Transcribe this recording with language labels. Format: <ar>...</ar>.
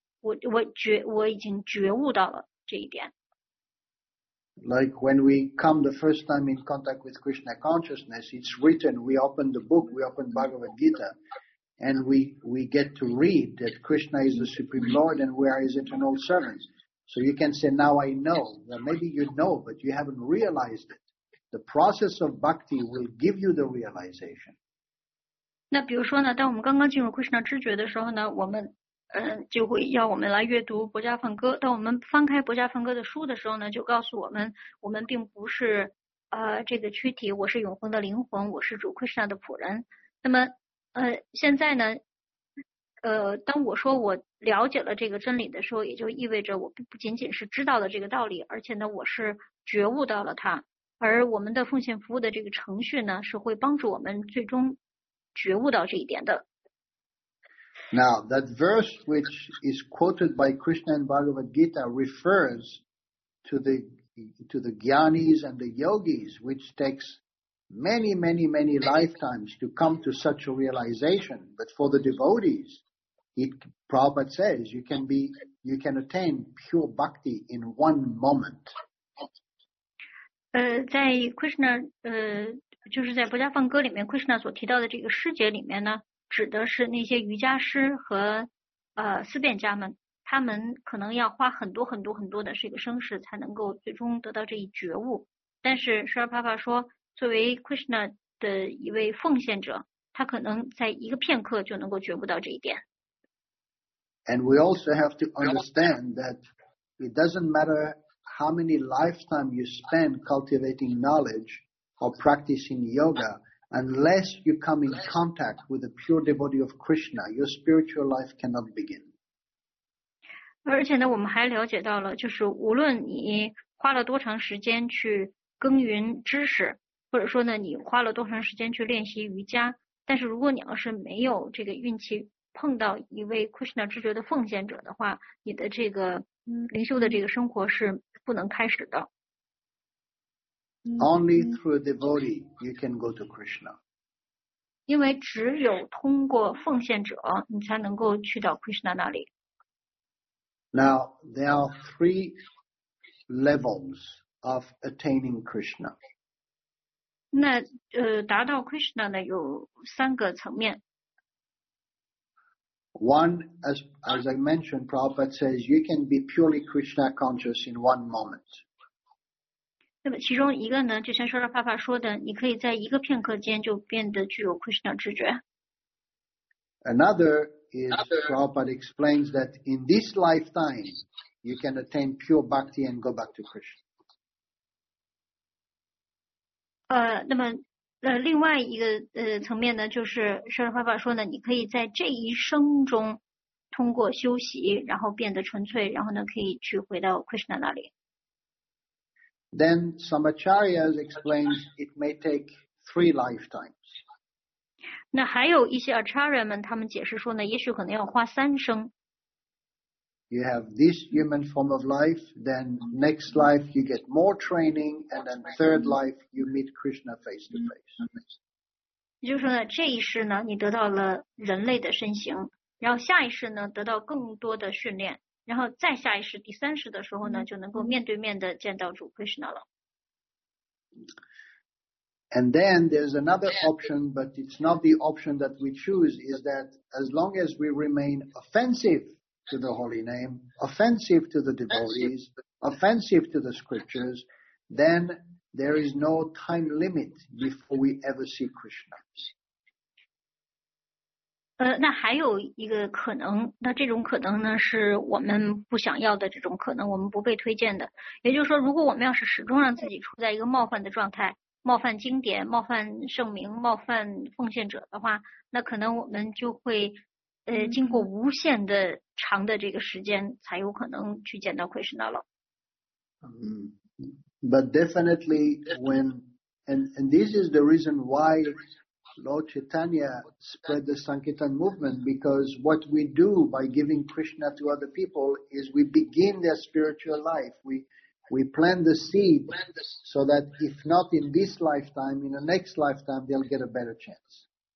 <zh>我已经觉悟到了这一点。</zh> <en>Like when we come the first time in contact with Krishna consciousness, it's written, we open the book, we open Bhagavad Gita, and we get to read that Krishna is the Supreme Lord and we are his eternal servants. So you can say, now I know. Well, maybe you know, but you haven't realized it. The process of bhakti will give you the realization.</en> <zh>那比如说呢，当我们刚刚进入 Krishna 知觉的时候呢，我们就会要我们来阅读薄伽梵歌。当我们翻开薄伽梵歌的书的时候呢，就告诉我们，我们并不是这个躯体，我是永恒的灵魂，我是主 Krishna 的仆人。那么现在呢，当我说我了解了这个真理的时候，也就意味着我不仅仅是知道了这个道理，而且呢，我是觉悟到了它。而我们的奉献服务的这个程序呢，是会帮助我们最终觉悟到这一点的。</zh> <en>Now, that verse which is quoted by Krishna and Bhagavad Gita refers to the jnanis and the yogis, which takes many, many, many lifetimes to come to such a realization. But for the devotees, Prabhupada says, you can attain pure bhakti in one moment.</en> <zh>在 Krishna, 就是在薄伽梵歌里面 ,Krishna 所提到的这个师节里面呢，指的是那些瑜伽师和思辨家们，他们可能要花很多很多很多的这个生死才能够最终得到这一觉悟。但是舍尔帕帕说，作为 Krishna 的一位奉献者，他可能在一个片刻就能够觉悟到这一点。</zh> <en>And we also have to understand that it doesn't matter how many lifetime you spend cultivating knowledge or practicing yoga. Unless you come in contact with a pure devotee of Krishna, your spiritual life cannot begin.</en> <zh>而且呢，我们还了解到了，就是无论你花了多长时间去耕耘知识，或者说呢，你花了多长时间去练习瑜伽，但是如果你要是没有这个运气碰到一位 Krishna 知觉的奉献者的话，你的这个灵修的这个生活是不能开始的。</zh> <en>Only through a devotee you can go to Krishna.</en> <zh>因为只有通过奉献者，你才能够去到 Krishna 那里。</zh> <en>Now there are three levels of attaining Krishna.</en> <zh>那达到 Krishna 呢有三个层面。</zh> <en>One, as I mentioned, Prabhupada says, you can be purely Krishna conscious in one moment.</en> <zh>那么其中一个呢，就像说了爸爸说的，你可以在一个片刻间就变得具有 Krishna 知觉。</zh> <en>Another is Prabhupada explains that in this lifetime, you can attain pure bhakti and go back to Krishna.</en> <zh>那么另外一个层面呢，就是说了爸爸说呢，你可以在这一生中通过修习，然后变得纯粹，然后呢可以去回到 Krishna 那里。</zh> <en>Then Samacharya explains it may take three lifetimes.</en> <zh>那还有一些 Acharya 们他们解释说呢，也许可能要花三生。</zh> <en>You have this human form of life, then next life you get more training, and then third life you meet Krishna face to face.</en> <zh>也就是说呢，这一世呢，你得到了人类的身形，然后下一世呢，得到更多的训练。然后再下一世第三世的时候呢，就能够面对面的见到主 Krishna 了。</zh> <en>And then there's another option, but it's not the option that we choose, is that as long as we remain offensive to the holy name, offensive to the devotees, offensive to the scriptures, then there is no time limit before we ever see Krishna.</en> <zh>那还有一个可能，那这种可能呢是我们不想要的，这种可能我们不被推荐的，也就是说如果我们要是始终让自己处在一个冒犯的状态，冒犯经典，冒犯圣明，冒犯奉献者的话，那可能我们就会经过无限的长的这个时间才有可能去见到Krishna了。</zh> <en>But definitely when and this is the reason whyLord Chaitanya spread the Sankirtan movement, because what we do by giving Krishna to other people is we begin their spiritual life. We plant the seed so that if not in this lifetime, in the next lifetime, they'll get a better chance.</en>